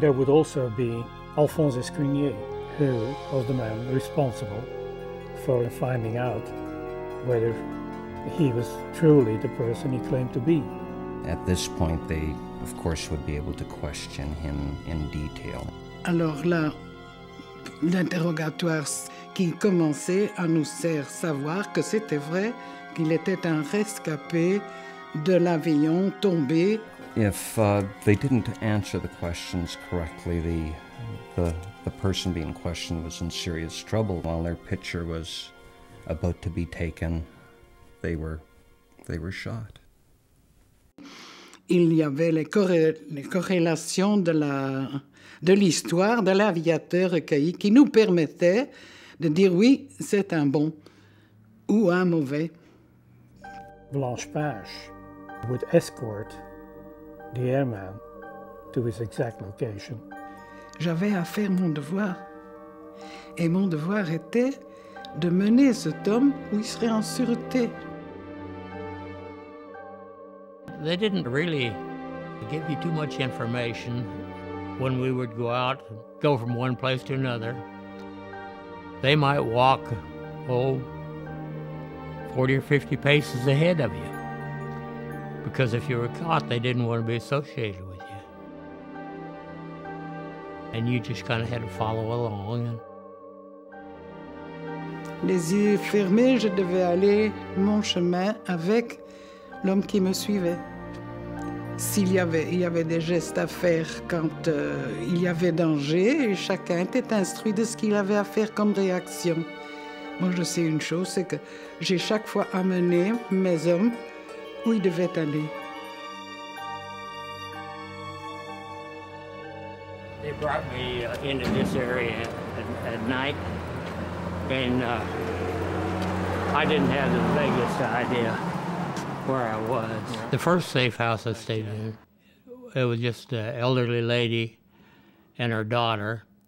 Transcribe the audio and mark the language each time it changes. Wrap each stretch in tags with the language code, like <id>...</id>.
<en>There would also be Alphonse Escrignier, who was the man responsible for finding out whether he was truly the person he claimed to be. At this point, they of course would be able to question him in detail.</en> <fr>Alors là, l'interrogatoire qui commençait à nous faire savoir que c'était vrai qu'il était un rescapé de l'avion tombé.</fr> <en>If they didn't answer the questions correctly, the person being questioned was in serious trouble. While their picture was about to be taken, they were shot.</en> <fr>Il y avait les corrélations de l'histoire de l'aviateur recueilli qui nous permettaient de dire oui, c'est un bon ou un mauvais.</fr> <en>Blanche Page would escort the airman to his exact location.</en> <fr>J'avais à faire mon devoir. Et mon devoir était de mener cet homme où il serait en sûreté.</fr> <en>They didn't really give you too much information when we would go out, go from one place to another. They might walk, 40 or 50 paces ahead of you. Because if you were caught, they didn't want to be associated with you. And you just kind of had to follow along.</en> <fr>Les yeux fermés, je devais aller mon chemin avec l'homme qui me suivait. S'il y avait, il y avait des gestes à faire quand il y avait danger, et chacun était instruit de ce qu'il avait à faire comme réaction. Moi, je sais une chose, c'est que j'ai chaque fois amené mes hommes où ils devaient aller.</fr> <en>They brought me into this area at night, and I didn't have the vaguest idea where I was. The first safe house I stayed in, it was just an elderly lady and her daughter.</en>